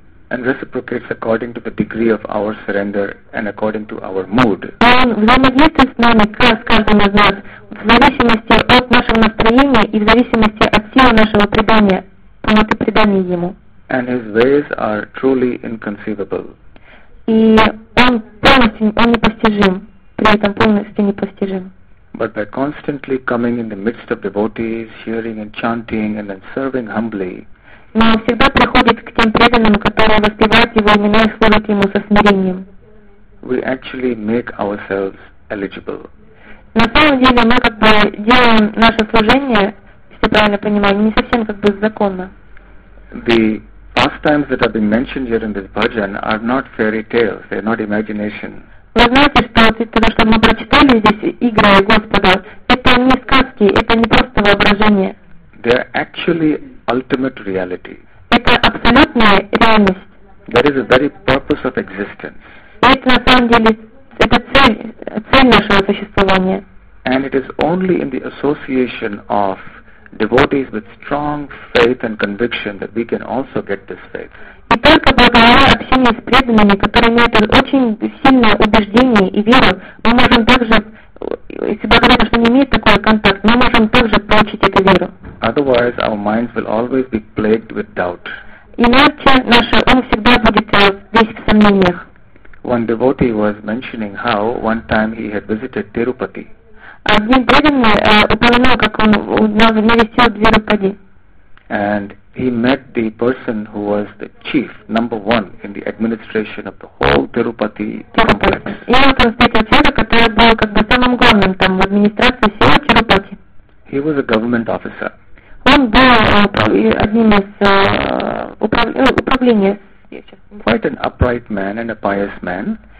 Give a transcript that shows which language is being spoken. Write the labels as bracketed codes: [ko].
[en] And reciprocates according to the degree of our surrender and according to our mood. [ru] Он взаимодействует с нами с каждым из нас в зависимости от нашего настроения и в зависимости от силы нашего предания, полноты предания ему. [en] And his ways are truly inconceivable. [ru] И он полностью, он непостижим. При этом полностью непостижим. [en] But by constantly coming in the midst of devotees, hearing and chanting and then serving humbly. [ru] Но он всегда приходит к тем преданным, которые воспевают его имена и служат ему со смирением. [en] We actually make ourselves eligible. [ru] На самом деле мы как бы делаем наше служение, если правильно понимаю, не совсем как бы законно. [en] The pastimes that have been mentioned here in this bhajan are not fairy tales, they are not imagination. [ru] Вы знаете, что то, что мы прочитали здесь, игры Господа, это не сказки, это не просто воображение. [en] They are actually ultimate reality. [ru] Это абсолютная реальность. [en] That is the very purpose of existence. [ru] Это на самом деле это цель нашего существования. [en] And it is only in the association of devotees with strong faith and conviction that we can also get this faith. [ru] И только благодаря общению с преданными, которые имеют очень сильное убеждение и веру, мы можем также, если благодаря тому, что не имеют такой контакт, мы можем также получить эту веру. [en] Otherwise, our minds will always be plagued with doubt. [ru] Иначе наш ум всегда будет весь в сомнениях. [en] One devotee was mentioning how one time he had visited Tirupati. [ru] Один преданный упоминал, как он навестил Тирупати. [en] And he met the person who was the chief, number one, in the administration of the whole Tirupati complex. [ru] И вот он встретил человека, который был как бы самым главным там в администрации всего Тирупати. [en] He was a government officer. [ru] Он был одним из управления. [en] Quite an upright man and a pious man.